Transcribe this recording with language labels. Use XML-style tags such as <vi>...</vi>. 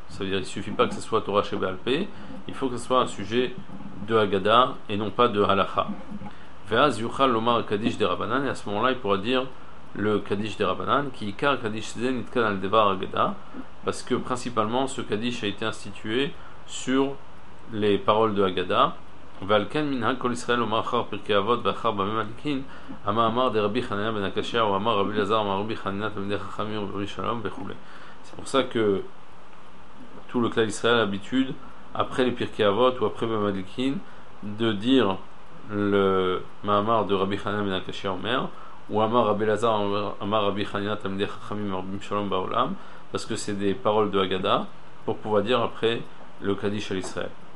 <fr>Ça veut dire qu'il ne suffit pas que ce soit Torah Shebealpe, il faut que ce soit un sujet de Agada et non pas de Halacha.</fr> <he>Veaz Yuchal Lomar Kaddish de Rabbanan,</he> <fr>et à ce moment-là il pourra dire le Kaddish de Rabbanan, qui</fr> <he>Ikar Kaddish Zen Itkan al Devar Agada,</he> <fr>parce que principalement ce Kaddish a été institué sur les paroles de Agada.</fr> <he>ועלכן מנהג כל ישראל לומר אחר פרקי אבות ואחר במי מלכין אמר אמר דה רבי חנניה בן הקשיא או אמר רבי אלעזר אמר רבי חנניה תלמידי חכמים ורבי שלום וכו'.</he> <fr>C'est pour ça que tout le clan d'Israël a l'habitude après les pirkei avot ou après bamei malkin de dire le ma'amar de Rabbi Chanina ben HaKashiya Omer ou amar Rabbi Elazar amar Rabbi Chanina talmidei chachamim ou Rabbi Shalom ba'olam, parce que c'est des paroles de Haggadah pour pouvoir dire après le kaddish à l'Israël.</fr>